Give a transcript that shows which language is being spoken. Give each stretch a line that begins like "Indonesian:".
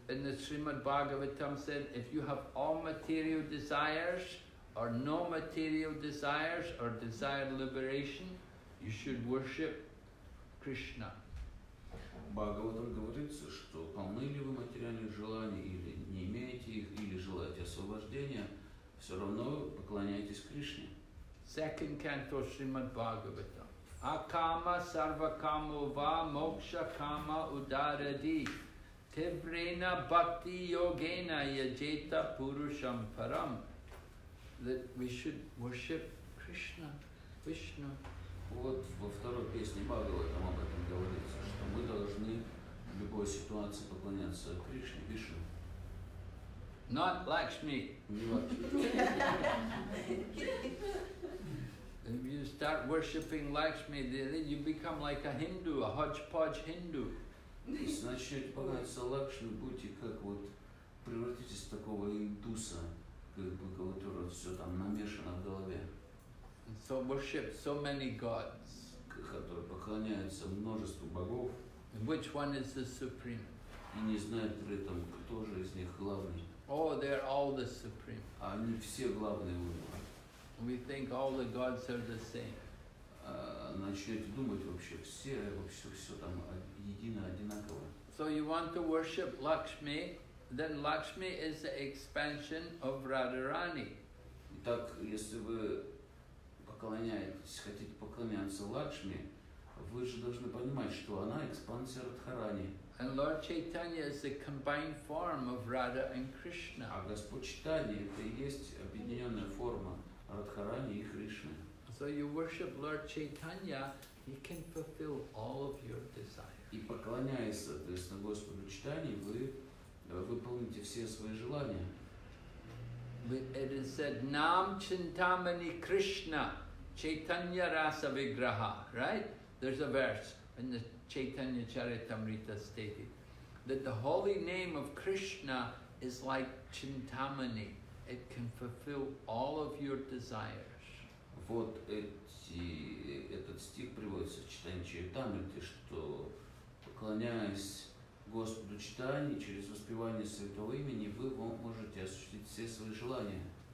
English: In the Srimad Bhagavatam said, if you have all material desires, or no material desires, or desire liberation, you should worship Krishna.
Russian: Бхагаватам говорится, что полны ли вы материальных желаний, или не имеете их, или желаете освобождения, все равно поклоняйтесь Кришне.
English: Second canto Srimad Bhagavatam.
Sanskrit: Акама сарвакамо ва мокша кама ударади. Тибрена бхакти йогена яджета пурушам парам.
English: That we should worship Krishna, Vishnu.
Russian: Вот во второй песне Бхагаватам об этом говорится, что мы должны в любой ситуации поклоняться Кришне, Вишну.
English: Not Lakshmi.
Russian: Не Лакшми.
English: If you start worshipping Lakshmi, then you become like a Hindu, a hodgepodge Hindu.
Russian: Если начнете поклоняться Лакшми, будьте как вот, превратитесь в такого индуса, как бы, который все там намешано в голове.
English: So worship so many gods.
Russian: Который поклоняется множеству богов.
English: Which one is the supreme?
Russian: И не знает при этом, кто же из них главный.
English: Oh, they're all the supreme.
Russian: А они все главные у него.
English: We think all the gods are the same.
Russian: Начнете думать вообще, все, вообще все там едино, одинаково.
English: So you want to worship Lakshmi, then Lakshmi is the expansion of Radharani.
Russian: Итак, если вы поклоняетесь, хотите поклоняться Лакшми, вы же должны понимать, что она экспансия Радхарани.
English: And Lord Chaitanya is the combined form of Radha and Krishna.
Russian: А Господь Чайтанья это и есть объединенная форма Радхарани и Кришны.
English: So you worship Lord Chaitanya, he can fulfill all of your desires.
Russian: И поклоняясь, то есть на Господу Чайтанье, вы выполните все свои желания.
English: It is said,
Sanskrit: Nam Chintamani Krishna, Chaitanya Rasa Vigraha,
English: right? There's a verse in the Chaitanya Charitamrita stated that the holy name of Krishna is like Chintamani. It can fulfill all of your desires.
Russian: Вот этот стих приводится в Читании Чайтамриты, что поклоняясь Господу Чайтанье, через воспевание Святого Имени, вы можете осуществить все свои желания.